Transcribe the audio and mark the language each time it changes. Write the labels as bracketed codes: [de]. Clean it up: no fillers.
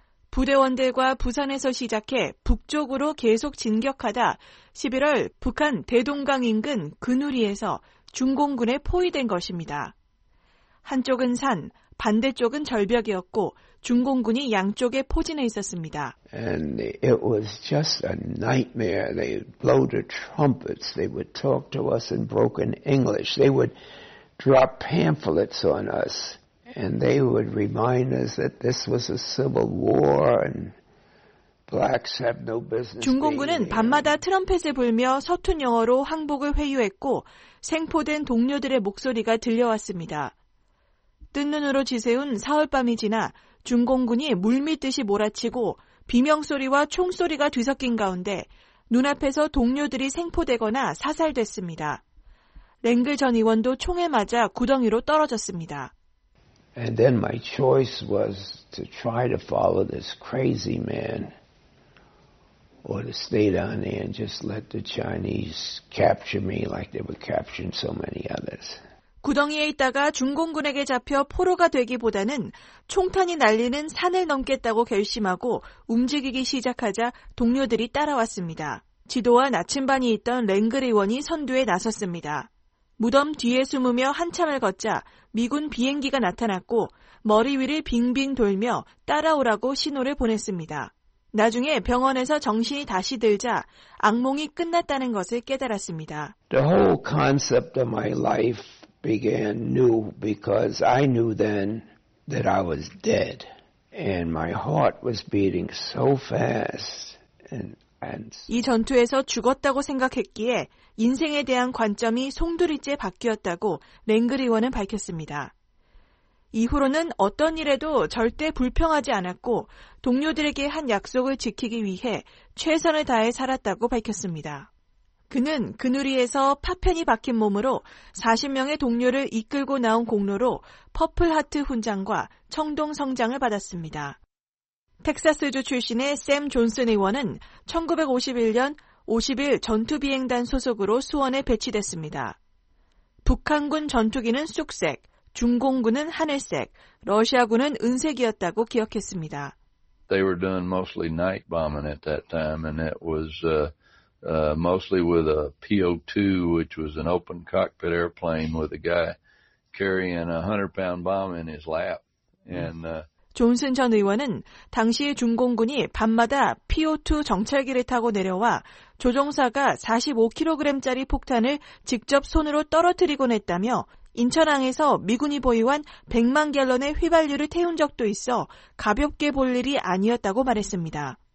[ko] 부대원들과 부산에서 시작해 북쪽으로 계속 진격하다 11월 북한 대동강 인근 근우리에서 중공군에 포위된 것입니다. 한쪽은 산, 반대쪽은 절벽이었고 중공군이 양쪽에 포진해 있었습니다. [en] And it was just a nightmare. They would blow the trumpets. They would talk to us in broken English. They would drop pamphlets on us. And they would remind us that this was a civil war and blacks have no business. [ko] 중공군은 밤마다 트럼펫을 불며 서툰 영어로 항복을 회유했고 생포된 동료들의 목소리가 들려왔습니다. 뜬눈으로 지새운 사흘밤이 지나 중공군이 물밀듯이 몰아치고 비명소리와 총소리가 뒤섞인 가운데 눈앞에서 동료들이 생포되거나 사살됐습니다. 랭그 전 의원도 총에 맞아 구덩이로 떨어졌습니다. [en] And then my choice was to try to follow this crazy man or to stay down there and just let the Chinese capture me like they were capturing so many others. [ko] 구덩이에 있다가 중공군에게 잡혀 포로가 되기보다는 총탄이 날리는 산을 넘겠다고 결심하고 움직이기 시작하자 동료들이 따라왔습니다. 지도와 나침반이 있던 랭글 의원이 선두에 나섰습니다. 무덤 뒤에 숨으며 한참을 걷자 미군 비행기가 나타났고 머리 위를 빙빙 돌며 따라오라고 신호를 보냈습니다. 나중에 병원에서 정신이 다시 들자 악몽이 끝났다는 것을 깨달았습니다. [en] The whole concept of my life began new because I knew then that I was dead and my heart was beating so fast and [ko] 이 전투에서 죽었다고 생각했기에 인생에 대한 관점이 송두리째 바뀌었다고 랭글 의원은 밝혔습니다. 이후로는 어떤 일에도 절대 불평하지 않았고 동료들에게 한 약속을 지키기 위해 최선을 다해 살았다고 밝혔습니다. 그는 그누리에서 파편이 박힌 몸으로 40명의 동료를 이끌고 나온 공로로 퍼플하트 훈장과 청동 성장을 받았습니다. 텍사스주 출신의 샘 존슨 의원은 1951년 50일 전투비행단 소속으로 수원에 배치됐습니다. 북한군 전투기는 쑥색, 중공군은 하늘색, 러시아군은 은색이었다고 기억했습니다. [en] They were doing mostly night bombing at that time, and it was mostly with a PO2, which was an open cockpit airplane with a guy carrying a 100-pound bomb in his lap. And [ko] 존슨 전 의원은 당시 중공군이 밤마다 PO2 정찰기를 타고 내려와 조종사가 45kg짜리 폭탄을 직접 손으로 떨어뜨리곤 했다며 인천항에서 미군이 보유한 100만 갤런의 휘발유를 태운 적도 있어 가볍게 볼 일이 아니었다고 말했습니다.